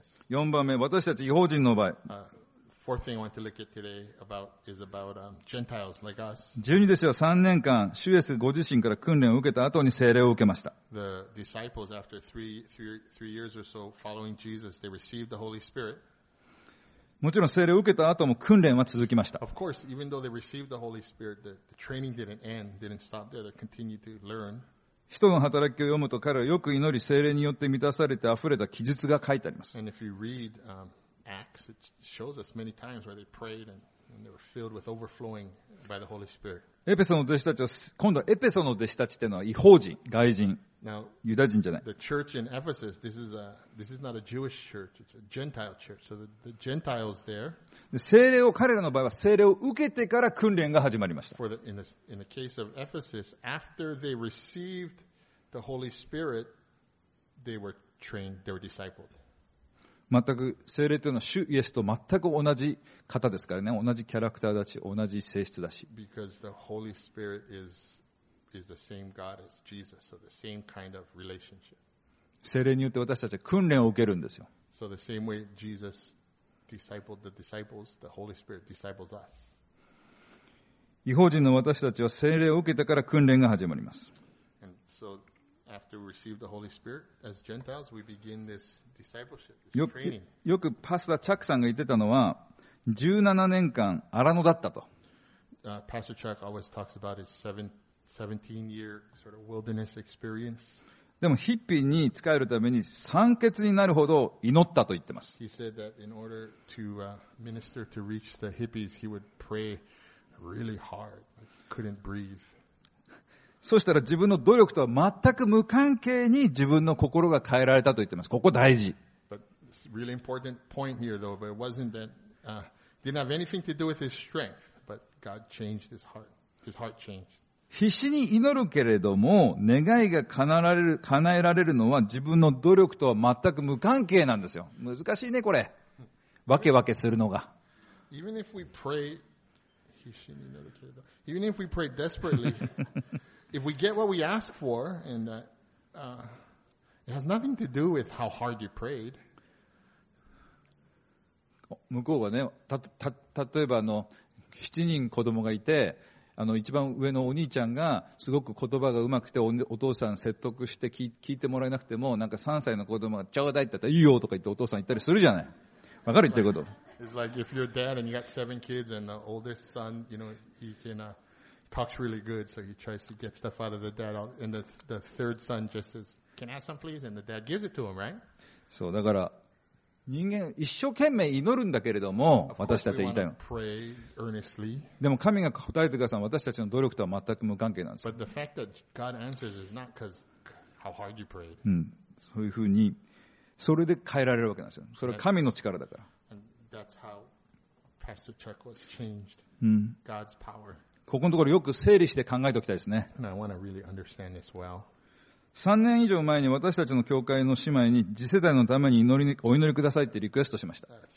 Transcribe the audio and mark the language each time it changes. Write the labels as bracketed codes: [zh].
[ja] 4番目、私たち違法人の場合。 [en] Fourth thing I want to look at today about is about Gentiles like us. [ja] 十二弟子は三年間、主イエスご自身から訓練を受けた後に聖霊を受けました。 [en] The disciples after three years or so following Jesus, they received the Holy Spirit. [ja] もちろん聖霊を受けた後も訓練は続きました。 [en] Of course, even though they received the Holy Spirit, the training didn't stop there. They continued to learn. [ja] 人の働きを読むと彼はよく祈り聖霊によって満たされて溢れた記述が書いてあります。 [en] And if you read, Acts, it shows us many times where they prayed and they were filled with overflowing by the Holy Spirit. [ja] エペソの弟子たちは、今度はエペソの弟子たちというのは、異邦人、外人、ユダ人じゃない。 [en] The church in Ephesus, this is not a Jewish church, it's a Gentile church. So the Gentiles there. [ja] で、聖霊を彼らの場合は聖霊を受けてから訓練が始まりました。 [en] For the, in the case of Ephesus, after they received the Holy Spirit, they were trained, they were discipled. [ja] 全く聖霊というのは主イエスと全く同じ方ですからね、同じキャラクターだし、同じ性質だし。 [en] Because the Holy Spirit is the same God as Jesus, so the same kind of relationship. [ja] 聖霊によって私たちは訓練を受けるんですよ。 [en] So the same way Jesus discipled the disciples, the Holy Spirit disciples us. [ja] 異邦人の私たちは聖霊を受けてから訓練が始まります。 [en] And so,After we receive the Holy Spirit as Gentiles, we begin this discipleship, this training. [ja] よくパスタチャックさんが言ってたのは、17年間荒野だったと。 [en] Pastor Chuck always talks about his 17-year sort of wilderness experience. [ja] でもヒッピーに仕えるために酸欠になるほど祈ったと言ってます。 [en] He said that in order to minister to reach the hippies, he would pray really hard, couldn't breathe. [ja] そしたら自分の努力とは全く無関係に自分の心が変えられたと言ってます。ここ大事。 [en] But it's a really important point here, though. But it wasn't that didn't have anything to do with his strength. But God changed his heart. His heart changed. [ja] 必死に祈るけれども願いが叶えられるのは自分の努力とは全く無関係なんですよ。難しいねこれ。わけわけするのが。 [en] Even if we pray, [ja] 必死に祈るけれど、 [en] even if we pray desperately. If we get what we ask for, and it has nothing to do with how hard you prayed. [ja] 向こうはね、例えば7人子供がいて、一番上のお兄ちゃんがすごく言葉がうまくて、お父さん説得して聞いてもらえなくても、なんか3歳の子供がちょうだいって言ったらいいよとか言ってお父さん言ったりするじゃない。わかる言ってること。 [en] It's like if your dad and you got seven kids and the oldest son, you know, he can, talks really good, so he tries to get stuff out of the dad. And the third son just says, "Can I have some, please?" And the dad gives it to him, right? [ja] そうだから人間一生懸命祈るんだけれども、私たちは言いたいの。 [en] Pray earnestly. [ja] でも神が答えてくださる私たちの努力とは全く無関係なんです。 [en] But the fact that God answers is not because how hard you prayed. [ja] そういうふうにそれで変えられるわけなんですよ。それは神の力だから。 [en] And that's how Pastor Chuck was changed. God's power. [ja] ここのところよく整理して考えておきたいですね。3年以上前に私たちの教会の姉妹に次世代のためにお祈りくださいってリクエストしました。